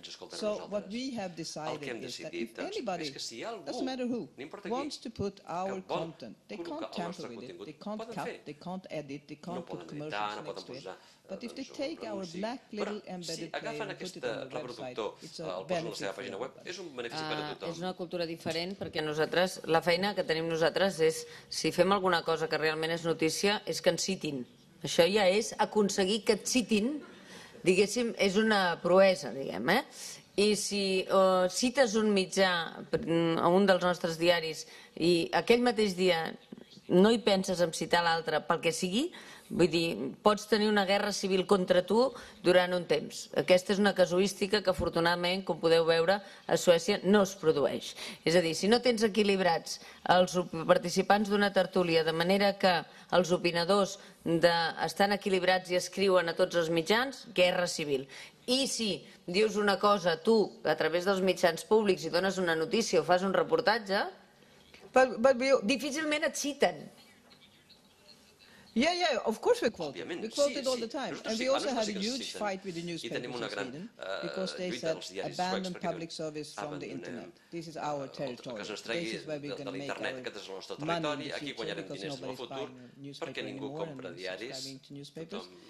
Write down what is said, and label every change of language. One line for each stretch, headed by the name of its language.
English: So what we have decided is that if anybody, doesn't matter who, wants to put our content, they can't tamper with it, they can't cut, they can't edit, they can't put commercials next to it. But if they take our black little embedded player and put it on the website, it's a benefit for everybody.
Catalan: És una cultura diferent perquè nosaltres, la feina que tenim nosaltres és, si fem alguna cosa que realment és notícia, és que ens citin. Això ja és aconseguir que et citin diguéssim, és una proesa, diguem, eh? I si cites un mitjà a un dels nostres diaris i aquell mateix dia no hi penses en citar l'altre pel que sigui, vull dir, pots tenir una guerra civil contra tu durant un temps. Aquesta és una casuística que, afortunadament, com podeu veure, a Suècia no es produeix. És a dir, si no tens equilibrats els participants d'una tertúlia de manera que els opinadors estan equilibrats i escriuen a tots els mitjans, guerra civil. I si dius una cosa tu a través dels mitjans públics i dones una notícia o fas un reportatge, difícilment et citen.
English: Yeah, yeah, of course we quoted. Òbviament, we quoted all the time. And we also had a huge fight with the newspapers in Sweden, because they said abandon public service from the internet. This is our territory. This is where we're going to make our money in the future, because nobody's buying newspapers anymore and we're subscribing to newspapers.